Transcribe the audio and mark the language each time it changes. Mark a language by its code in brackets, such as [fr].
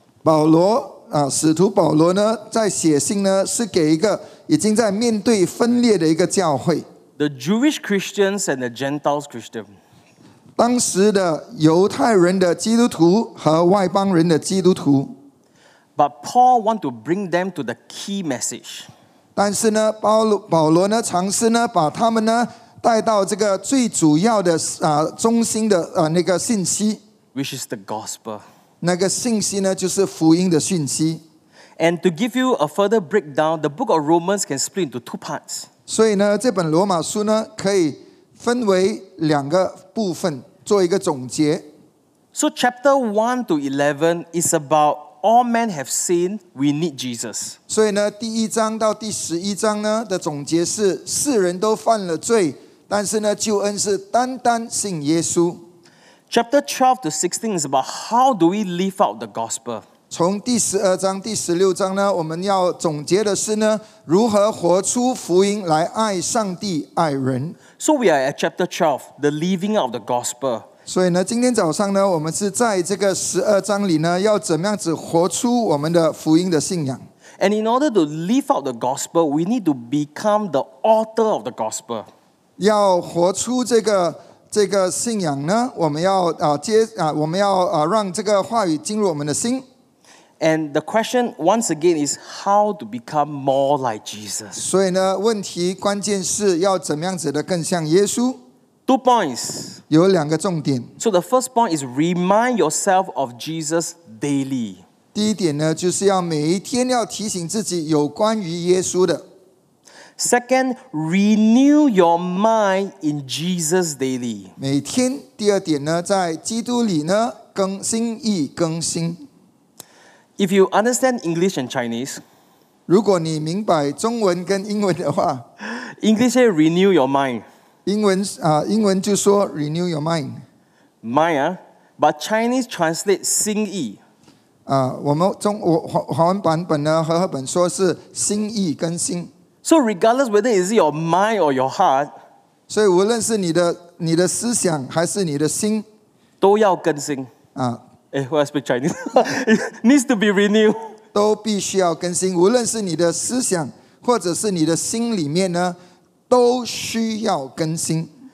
[zh] 保罗使徒保罗呢，在写信呢，是给一个已经在面对分裂的一个教会。 [en] The Jewish Christians and the Gentiles Christians. [zh] 当时的犹太人的基督徒和外邦人的基督徒。 [en] But Paul want to bring them to the key message. [zh] 但是呢，保罗呢，尝试呢，把他们呢带到这个最主要的啊中心的啊那个信息 [en] ，which is the gospel. [zh] 那个信息呢，就是福音的信息。 [en] And to give you a further breakdown, the book of Romans can split into two parts. [zh] 所以呢，这本罗马书呢，可以分为两个部分做一个总结。 [en] So chapter 1 to 11 is about all men have sinned, we need Jesus. [zh] 所以呢，第一章到第十一章呢的总结是世人都犯了罪，但是呢，救恩是单单信耶稣。 [en] Chapter 12 to 16 is about how do we live out the gospel. [zh] 从第十二章、第十六章呢，我们要总结的是呢，如何活出福音来爱上帝、爱人。 [en] So we are at chapter 12, the living out of the gospel. [zh] 所以呢，今天早上呢，我们是在这个十二章里呢，要怎么样子活出我们的福音的信仰。 [en] And in order to live out the gospel, we need to become the author of the gospel. [zh] 要活出这个信仰呢，我们要让这个话语进入我们的心。 [en] And the question once again is how to become more like Jesus. [zh] 所以呢，问题关键是要怎么样子的更像耶稣。 [en] Two points. [zh] 有两个重点。 [en] So the first point is remind yourself of Jesus daily. [zh] 第一点呢，就是要每一天要提醒自己有关于耶稣的。 [en] Second, renew your mind in Jesus daily. [zh] 每天第二点呢，在基督里呢更新意更新。 [en] If you understand English and Chinese, [zh] 如果你明白中文跟英文的话 [en] English say renew your mind. [zh] 英文就说 [en] renew your mind. Mind, but Chinese translate 心意。 [zh] 我们中华文版本呢，和合本说是心意更新。 [en] So regardless whether it's your mind or your heart, [zh] 所以无论是你的思想还是你的心，都要更新。 [en] I speak Chinese. needs to be renewed. [zh] 都必须要更新，无论是你的思想或者是你的心里面呢，都需要更新。